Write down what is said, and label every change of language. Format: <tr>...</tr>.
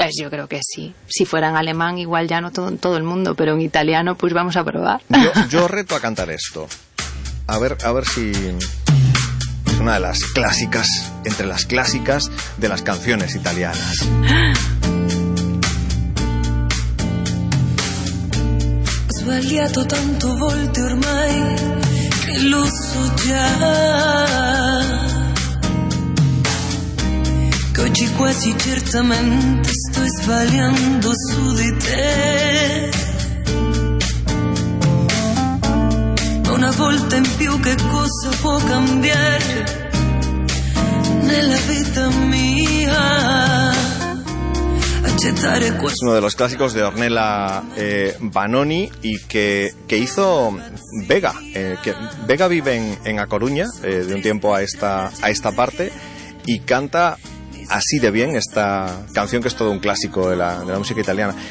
<es>Yo creo que sí. Si fuera en alemán, igual ya no todo el mundo, pero en italiano, pues vamos a probar. Yo reto a cantar esto. A ver si... Es una de las clásicas, entre las clásicas de las canciones italianas.</es> <it>Ho sbagliato tanto volte ormai che lo so già, che oggi quasi certamente sto sbagliando su di te. Ma una volta in più che cosa può cambiare nella vita mia?</it> <es>Es uno de los clásicos de Ornella Vanoni y que hizo Vega. Vega vive en A Coruña de un tiempo a esta parte y canta así de bien esta canción, que es todo un clásico de la música italiana.</es>